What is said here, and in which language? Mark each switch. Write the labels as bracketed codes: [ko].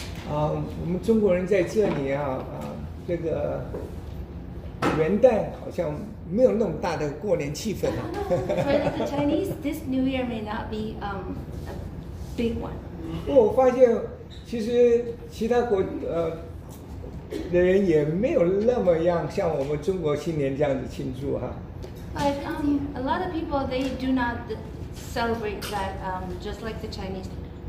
[zh] 我们中国人在这里这个元旦好像没有那么大的过年气氛啊。 [en] For the Chinese, this New Year may not be a big one. [zh] 我发现其实其他国的人也没有那么样像我们中国新年这样子庆祝啊。 [en] A lot of people they do not celebrate that just like the Chinese people.